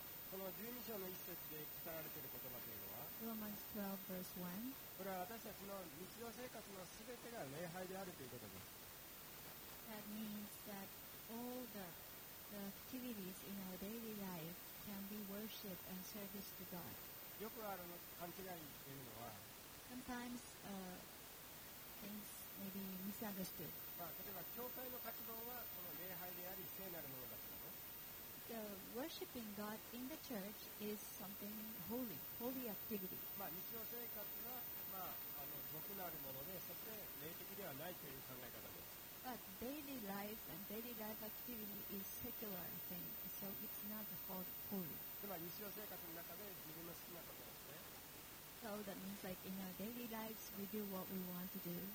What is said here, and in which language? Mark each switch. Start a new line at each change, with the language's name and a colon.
Japanese: この12章の一節で語られている言葉というのは、
English: Romans 12 verse 1。
Japanese: これは私たちの日常生活のすべてが礼拝であるということです。
English: That means that all the activities in our daily life can be worship and service to God.
Japanese: よくある勘違いというのは、
English: Sometimes things may be misunderstood.
Japanese: 例えば教会の活動はこの礼拝であり聖なるものだけども、
English: The worshiping God in the church is something holy, holy activity.
Japanese: 日常生活は属なるもので、そして霊的ではないという考え方です。
English: But daily life and daily life activity is secular thing, so it's not holy.
Japanese: つまり日常生活の中で自分の好きなことですね。
English: So that means like in our daily lives, we do what we want to do.